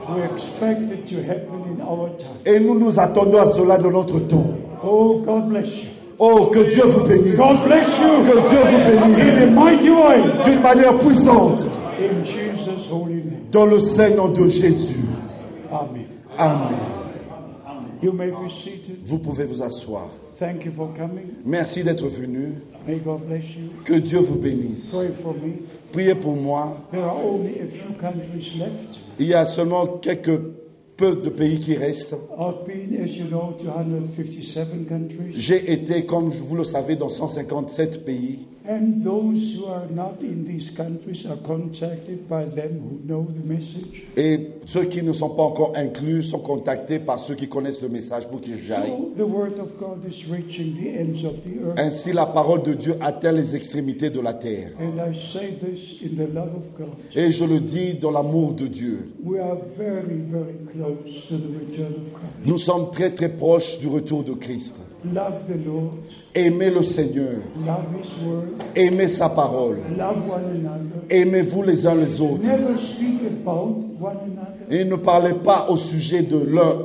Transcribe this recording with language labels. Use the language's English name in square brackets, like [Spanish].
[English] We expect it to happen in our time. [French] Et nous nous attendons à cela dans notre temps. [English] Oh God bless you. [French] Oh que Dieu vous bénisse. [English] God bless you. [French] Que Dieu vous bénisse. [English] In a mighty way. [French] D'une manière puissante. [English] In Jesus' holy name. [French] Dans le Saint-Nom de Jésus. [English] Amen. [French] Amen. [English] You may be seated. [French] Vous pouvez vous asseoir. [English] Thank you for coming. [French] Merci d'être venu. [English] May God bless you. [French] Que Dieu vous bénisse. [English] Pray for me. [French] Priez pour moi. [English] There are only a few countries left. [French] Il y a seulement quelques peu de pays qui restent. [English] I've been, as you know, 257 countries. [French] J'ai été, comme vous le savez, dans 157 pays. [English] And those who are not in these countries are contacted by them who know the message. [French] Et ceux qui ne sont pas encore inclus sont contactés par ceux qui connaissent le message pour qu'ils j'aille. [English] So the word of God is reaching the ends of the earth. [French] Ainsi la parole de Dieu atteint les extrémités de la terre. [English] And I say this in the love of God. [French] Et je le dis dans l'amour de Dieu. [English] We are very, very close to the return of Christ. [French] Nous sommes très, très proches du retour de Christ. [English] Love the Lord. [French] Aimez le Seigneur. [English] Love his word. [French] Aimez sa parole. [English] Love one another. [French] Aimez-vous les uns les autres. [English] Never speak about one another. [French] Et ne parlez pas au sujet de l'un